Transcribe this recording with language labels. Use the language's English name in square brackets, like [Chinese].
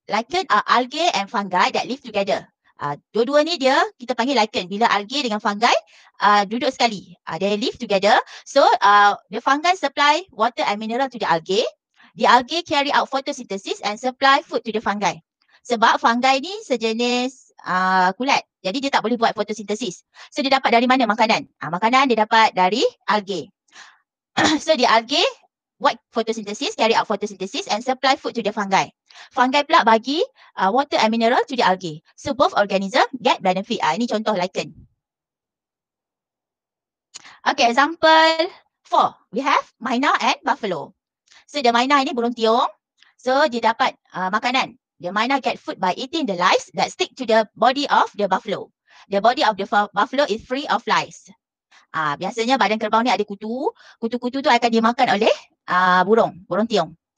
[English] Lichen are algae and fungi that live together. [Malay] Dua-dua ni dia kita panggil lichen bila algae dengan fungi duduk sekali. [English] They live together. So the fungi supply water and mineral to the algae. The algae carry out photosynthesis and supply food to the fungi. [Malay] Sebab fungi ni sejenis kulat. Jadi dia tak boleh buat fotosintesis. So dia dapat dari mana makanan? Makanan dia dapat dari algae. [English] So the algae [Malay] buat fotosintesis, [English] carry out fotosintesis and supply food to the fungi. [Malay] Fungi pula bagi [English] water and mineral to the algae. So both organism get benefit. [Malay] Ini contoh lichen. [English] Okay, example 4. We have myna and buffalo. [Malay] So the myna ni burung tiung. So dia dapat makanan. [English] The myna get food by eating the lice that stick to the body of the buffalo. The body of the buffalo is free of lice. [Malay] Biasanya badan kerbau ni ada kutu. Kutu-kutu tu akan dimakan oleh burung tiung.